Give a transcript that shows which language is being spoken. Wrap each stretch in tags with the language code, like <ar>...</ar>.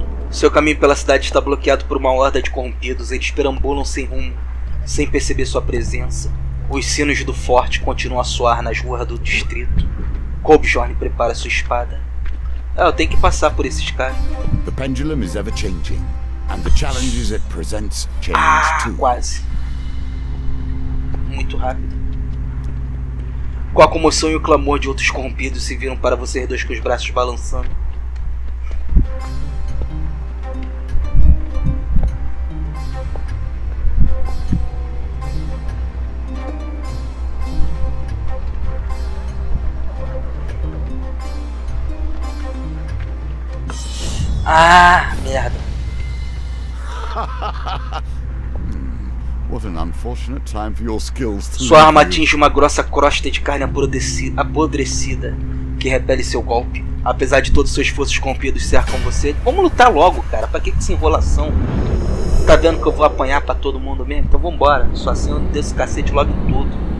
<pt>Seu caminho pela cidade está bloqueado por uma horda de corrompidos. Eles perambulam sem rumo, sem perceber sua presença. Os sinos do forte continuam a soar nas ruas do distrito. Cobjorn prepara sua espada. É, eu tenho que passar por esses caras.</pt> <en>The pendulum is ever changing, and the challenges it presents change too.</en> <pt>Quase. Muito rápido. Com a comoção e o clamor de outros corrompidos, se viram para vocês dois com os braços balançando. Merda.</pt> <en>What an unfortunate time for your skills to.</en> <pt>Sua arma atinge uma grossa crosta de carne apodrecida que repele seu golpe. Apesar de todos os seus esforços corrompidos cercam você. Vamos lutar logo, cara. Pra que essa enrolação? Tá vendo que eu vou apanhar pra todo mundo mesmo? Então vambora. Só assim eu desço cacete logo em tudo.</pt>